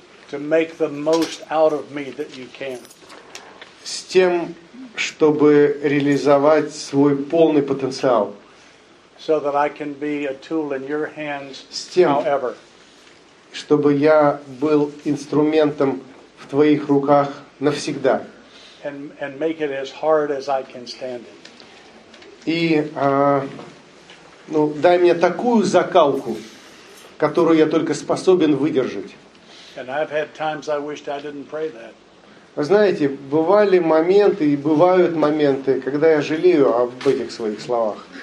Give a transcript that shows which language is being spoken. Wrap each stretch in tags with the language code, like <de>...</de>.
<en>To make the most out of me that you can.</en> <ru>С тем, чтобы реализовать свой полный потенциал.</ru> <en>So that I can be a tool in your hands.</en> <ru>С тем,</ru> <en>however.</en> <ru>Чтобы я был инструментом в твоих руках навсегда.</ru> <en>And make it as hard as I can stand it.</en> <ru>И ну, дай мне такую закалку, которую я только способен выдержать. Знаете, бывали моменты и бывают моменты, когда я жалею об этих своих словах.</ru>